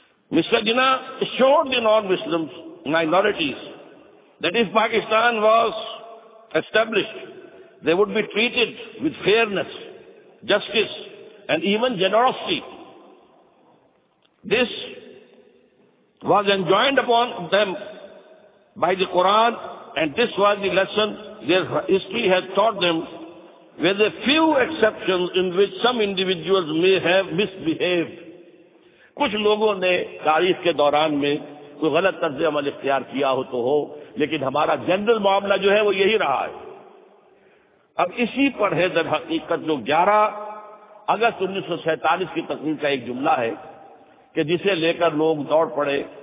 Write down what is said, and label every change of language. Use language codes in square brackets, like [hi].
[en] Mister Jinnah assured the non Muslim minorities that if Pakistan was established they would be treated with fairness justice and even generosity. This was enjoined upon them by the Quran and this was the lesson their history had taught them with a few exceptions in which some individuals may have misbehaved. [ur] کچھ لوگوں نے تاریخ کے دوران میں کوئی غلط طرز عمل اختیار کیا ہو تو ہو, لیکن ہمارا جنرل معاملہ جو ہے وہ یہی رہا ہے. اب اسی پر ہے در حقیقت جو 11 اگست 1947 کی تقریر کا ایک جملہ ہے کہ جسے لے کر لوگ دوڑ پڑے.